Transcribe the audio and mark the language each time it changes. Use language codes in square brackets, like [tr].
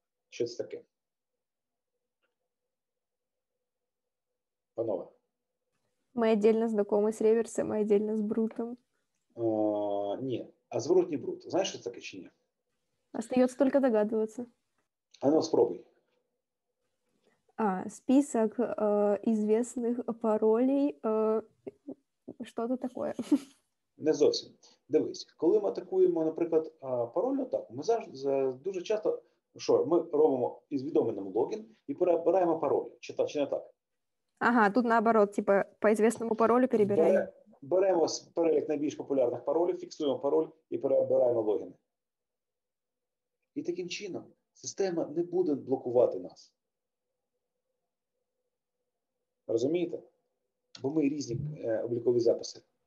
[uk] Що це таке? Панове? Ми віддільно знайомі з реверсом, ми віддільно з брутом. Ні, а зворотній брут. Знаєш, що це таке чи ні? Остається тільки догадуватися. А ну, спробуй. [ru] А, список известных паролей, что-то такое. [uk] Не зовсім. Дивись, коли ми атакуємо, наприклад, парольну атаку, ми завжди, дуже часто, що, ми робимо із відоменим логін і перебираємо пароль, чи не так? [ru] Ага, тут наоборот, типа, по известному паролю перебираємо. [uk] Беремо перелік найбільш популярних паролів, фіксуємо пароль і перебираємо логіни. І таким чином система не буде блокувати нас. Розумієте? Бо ми різні облікові записи.